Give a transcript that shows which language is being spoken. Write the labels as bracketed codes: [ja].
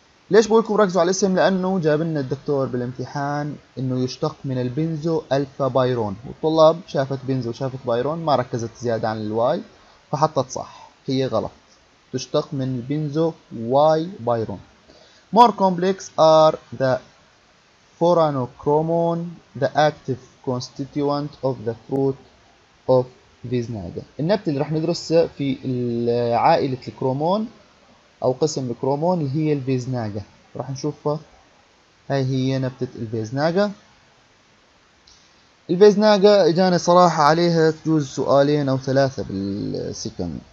[ar] ليش بقولكم ركزوا على الاسم؟ لانه جاب لنا الدكتور بالامتحان انه يشتق من البنزو الفا بايرون، والطلاب شافت بنزو وشافت بايرون ما ركزت زياده عن الواي فحطت صح. هي غلط، تشتق من البنزو واي بايرون. [en] More complex are the furanochromone, the active constituent of the fruit of Vizsnaga. [ar] النبتة اللي راح ندرسها في عائلة الكرومون أو قسم الكرومون اللي هي الفيزناجا، راح نشوفها. هاي هي نبتة الفيزناجا. الفيزناجا إجانا صراحة عليها تجوز سؤالين أو ثلاثة بالسكند.